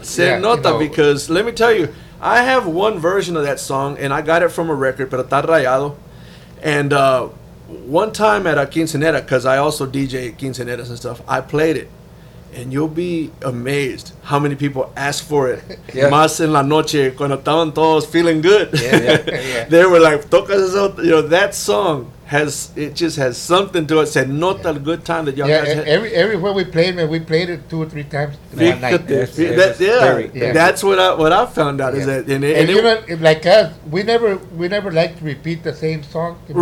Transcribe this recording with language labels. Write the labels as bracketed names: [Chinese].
[Spanish] Se nota, [English] you know, because let me tell you, I have one version of that song, and I got it from a record, [Spanish] pero está rayado. [English] And one time at a quinceanera, because I also DJ quinceaneras and stuff, I played it. And you'll be amazed how many people ask for it. Yeah. [Spanish] Más en la noche, cuando estaban todos [English] feeling good. Yeah. They were like, [Spanish] toca eso. [English] You know, that song has something to it. [Spanish] Se nota el [English] good time that y'all guys had. Everywhere we played, man, we played it two or three times. That's what I found out. Yeah. We never like to repeat the same song, you know,